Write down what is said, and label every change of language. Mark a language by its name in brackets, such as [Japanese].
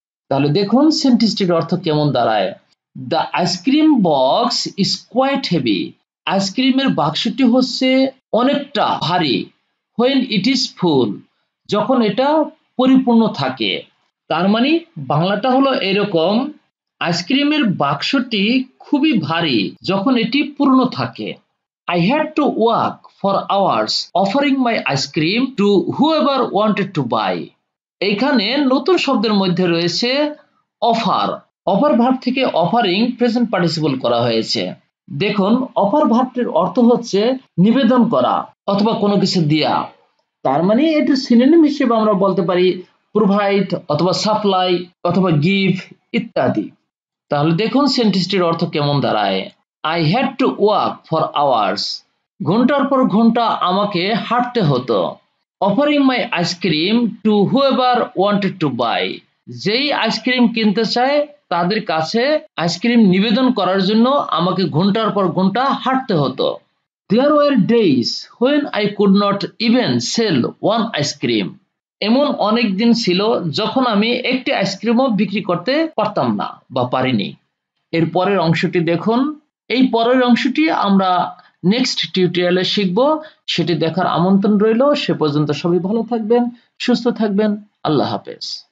[Bangla] তাহলে দেখুন সেন্টেন্সটির অর্থ কেমন দাঁড়ায়, [English] the ice cream box is quite heavy, [Bangla] আইসক্রিমের বাক্সটি হচ্ছে অনেকটা ভারী [English] When it is full, [Bangla] যখন এটা পরিপূর্ণ থাকে। তার মানে বাংলাটা হলো এরকম, আইসক্রিমের বাক্সটি খুবই ভারী যখন এটি পূর্ণ থাকে। [English] I had to work for hours offering my ice cream to whoever wanted to buy. [Bangla] এখানে নতুন শব্দের মধ্যে রয়েছে offer. Offer verb থেকে offering present participle করা হয়েছে। দেখুন offer verbটির অর্থ হচ্ছে নিবেদন করা অথবা কোনো কিছু দেয়া। তার মানে এটির synonym হিসেবে আমরা বলতে পারি provide অথবা supply অথবা give ইত্যাদি। তাহলে দেখুন সেন্টেন্সটির অর্থ কেমন দাঁড়ায়। [English] I had to work for hours. [Bangla] ঘন্টার পর ঘন্টা আমাকে হাঁটতে হতো। [English] Offering my ice cream to whoever wanted to buy. [Bangla] যেই আইসক্রিম কিনতে চায় তাদের কাছে আইসক্রিম নিবেদন করার জন্য আমাকে ঘন্টার পর ঘন্টা হাঁটতে হতো। [English] There were days when I could not even sell one ice cream. [Bangla] এমন অনেক দিন ছিল যখন আমি একটি আইসক্রিমও বিক্রি করতে পারতাম না বা পারিনি। এর পরের অংশটি দেখুন। এই পরের অংশটি আমরা নেক্সট টিউটোরিয়ালে শিখব। সেটি দেখার আমন্ত্রণ রইল। সে পর্যন্ত সবাই ভালো থাকবেন, সুস্থ থাকবেন। আল্লাহ হাফেজ।